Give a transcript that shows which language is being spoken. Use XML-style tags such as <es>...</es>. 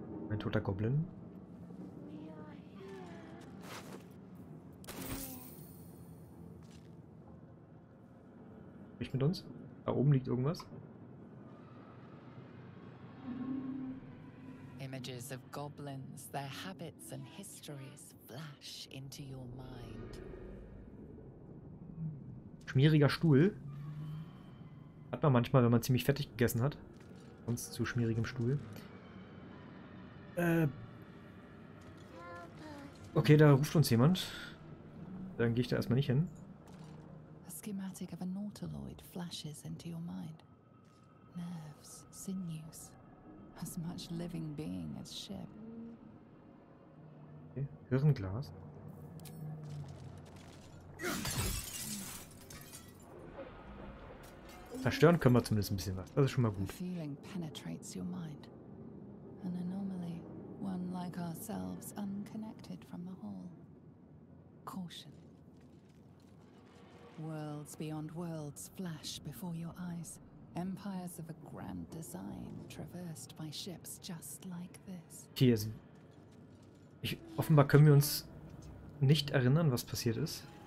<de>Ein toter Goblin. Mit uns? Da oben liegt irgendwas.</de> <en>Images of goblins, their habits and histories flash into your mind.</en> <de>Schmieriger Stuhl. Hat man manchmal, wenn man ziemlich fettig gegessen hat. Sonst zu schmierigem Stuhl. Okay, da ruft uns jemand. Dann gehe ich da erstmal nicht hin.</de> <en>Schematic of a nautiloid flashes into your mind. Nerves, sinews, as much living being as ship.</en> <de>Okay. Hirnglas. Verstören können wir zumindest ein bisschen was. Das ist schon mal gut.</de> <en>A feeling penetrates your mind. An anomaly, one like ourselves, unconnected from the whole. Caution. Worlds beyond worlds flash before your eyes. Empires of a grand design traversed by ships just like this.</en> <de>Okay, also offenbar können wir uns nicht erinnern, was passiert ist.</de>